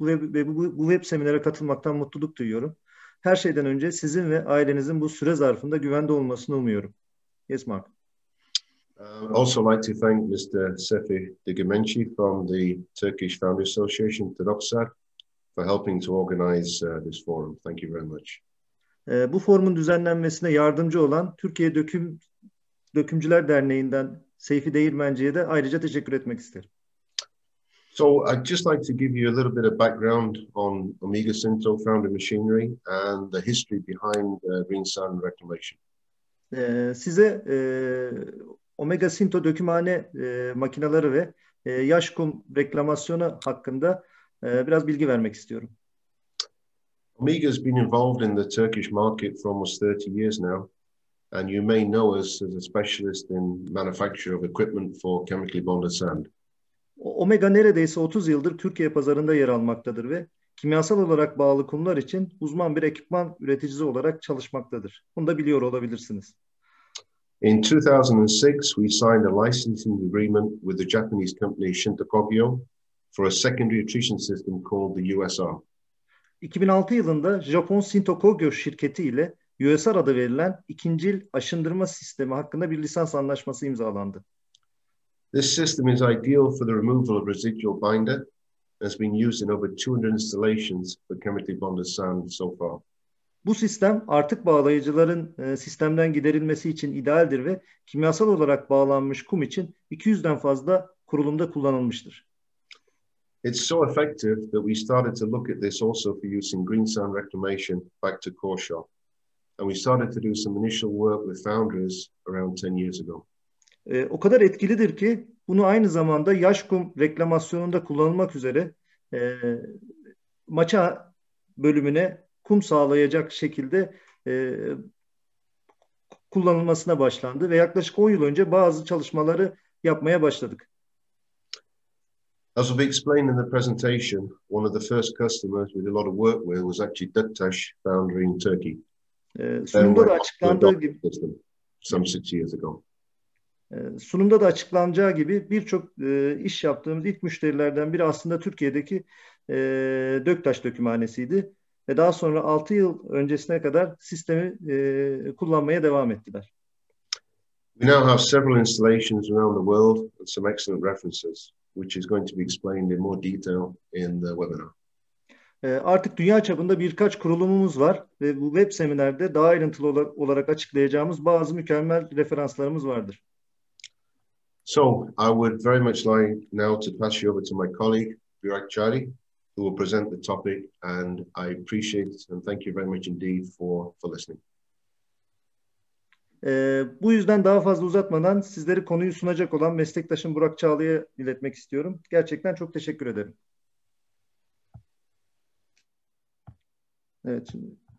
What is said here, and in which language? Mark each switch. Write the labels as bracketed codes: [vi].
[tr] Bu web seminere katılmaktan mutluluk duyuyorum. Her şeyden önce sizin ve ailenizin bu süre zarfında güvende olmasını umuyorum. [en] Yes, Mark. Also like to thank Mr. Sefi Digimenci from the Turkish Family Association, TEDOXAR, for helping to organize this forum. Thank you very much. [tr] Bu forumun düzenlenmesine yardımcı olan Türkiye Dökümcüler Derneği'nden Seyfi Değirmenci'ye de ayrıca teşekkür etmek isterim. [en] So I'd just like to give you a little bit of background on Omega Sinto Founder Machinery and the history behind Green Sun Reclamation. [tr] Size Omega Sinto dökümhane makineleri ve Yaşkum reklamasyonu hakkında biraz bilgi vermek istiyorum. [en] Omega has been involved in the Turkish market for almost 30 years now, and you may know us as a specialist in manufacture of equipment for chemically bonded sand. [tr] Omega neredeyse 30 yıldır Türkiye pazarında yer almaktadır ve kimyasal olarak bağlı konular için uzman bir ekipman üreticisi olarak çalışmaktadır. Bunu da biliyor olabilirsiniz. [en] In 2006, we signed a licensing agreement with the Japanese company Shintokogyo for a secondary attrition system called the USR. [tr] 2006 yılında Japon Shintokogyo şirketi ile USR adı verilen ikincil aşındırma sistemi hakkında bir lisans anlaşması imzalandı. [en] This system is ideal for the removal of residual binder and has been used in over 200 installations for chemically bonded sand so far. [tr] Bu sistem artık bağlayıcıların sistemden giderilmesi için idealdir ve kimyasal olarak bağlanmış kum için 200'den fazla kurulumda kullanılmıştır. [en] It's so effective that we started to look at this also for use in green sand reclamation back to core shop. And we started to do some initial work with founders around 10 years ago. [tr] O kadar etkilidir ki bunu aynı zamanda Yaşkum reklamasyonunda kullanılmak üzere maça bölümüne kum sağlayacak şekilde kullanılmasına başlandı ve yaklaşık 10 yıl önce bazı çalışmaları yapmaya başladık. [en] As we explained in the presentation, one of the first customers we did a lot of work with was actually Duktaş Foundry in Turkey. [tr] Sunumda da açıklandığı gibi [en] some 6 years ago. [tr] Sunumda da açıklanacağı gibi birçok iş yaptığımız ilk müşterilerden biri aslında Türkiye'deki Döktaş dökümhanesiydi. Ve daha sonra 6 yıl öncesine kadar sistemi kullanmaya devam ettiler. We now have several installations around the world and some excellent references, which is going to be explained in more detail in the webinar. Artık dünya çapında birkaç kurulumumuz var ve bu web seminerde daha ayrıntılı olarak açıklayacağımız bazı mükemmel referanslarımız vardır. So, I would very much like now to pass you over to my colleague, Burak Çağrı, who will present the topic, and I appreciate and thank you very much indeed for listening. Bu yüzden daha fazla uzatmadan sizleri konuyu sunacak olan meslektaşım Burak Çağrı'ya iletmek istiyorum. Gerçekten çok teşekkür ederim. Evet, şimdi...